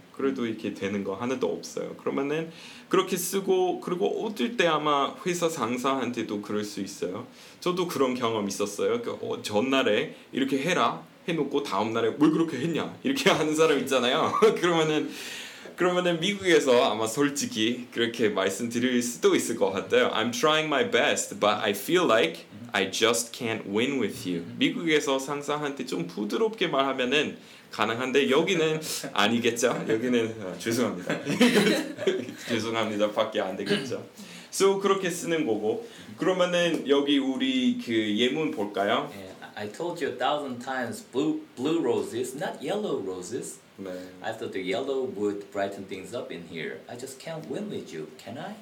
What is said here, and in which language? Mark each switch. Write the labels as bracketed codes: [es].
[ko] 그래도 이렇게 되는 거 하나도 없어요. 그러면은 그렇게 쓰고 그리고 어쩔 때 아마 회사 상사한테도 그럴 수 있어요. 저도 그런 경험 있었어요. 전날에 이렇게 해라 해놓고 다음날에 왜 그렇게 했냐 이렇게 하는 사람 있잖아요. 그러면은 미국에서 아마 솔직히 그렇게 말씀드릴 수도 있을 것 같아요. [en] I'm trying my best, but I feel like I just can't win with you. [ko] 미국에서 상사한테 좀 부드럽게 말하면은 가능한데 여기는 아니겠죠? 여기는 죄송합니다. 죄송합니다. 밖에 안 되겠죠? So 그렇게 쓰는 거고 그러면은 여기 우리 그 예문 볼까요? [en] I told you a thousand times blue roses, not yellow roses. [ko] 네. [en] I thought the yellow would brighten things up in here. I just can't win with you, can I?